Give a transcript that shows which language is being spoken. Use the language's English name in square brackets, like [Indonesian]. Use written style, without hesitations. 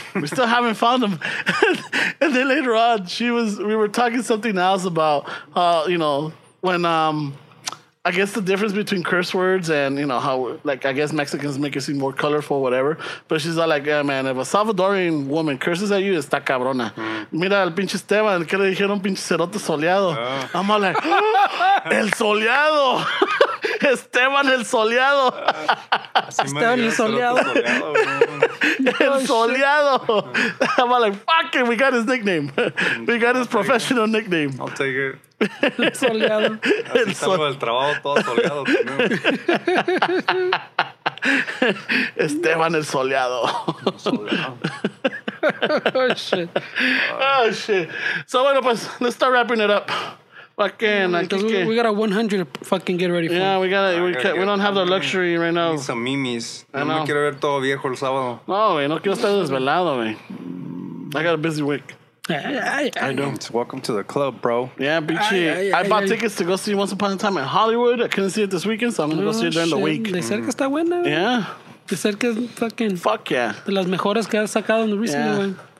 [English] We still haven't found him. And then later on, we were talking something else about, you know, when... I guess the difference between curse words and, you know, how, like, I guess Mexicans make it seem more colorful, whatever. But she's all like, yeah, man, if a Salvadorian woman curses at you, [Spanish] está cabrona. Mira al pinche Esteban, ¿qué le dijeron pinche cerote soleado? [English] I'm all like, oh, el soleado. Esteban el soleado. [Spanish] Esteban el soleado. El soleado. [English] I'm all like, fuck it, we got his nickname. We got his professional nickname. I'll take it. [Spanish] El soleado. Así salgo del trabajo todo soleado. Esteban el soleado. [English] Oh shit. Oh shit. So [Spanish] bueno, pues, [English] let's start wrapping it up. Fucking, we got a 100 fucking get ready for. Yeah, we got we don't have the luxury right now. Need some mimis. [Spanish] No me quiero ver todo viejo el sábado. No, güey, no quiero estar desvelado, güey. [English] I got a busy week. I know. Welcome to the club, bro. Yeah, bitchy. I bought tickets to go see Once Upon a Time in Hollywood. I couldn't see it this weekend, so I'm gonna go see it during the week. [Spanish] De cerca está buena. [English] Yeah. [Spanish] De cerca es fucking. [English] Fuck yeah. [Spanish] De las mejores que has sacado en el [English] recent one.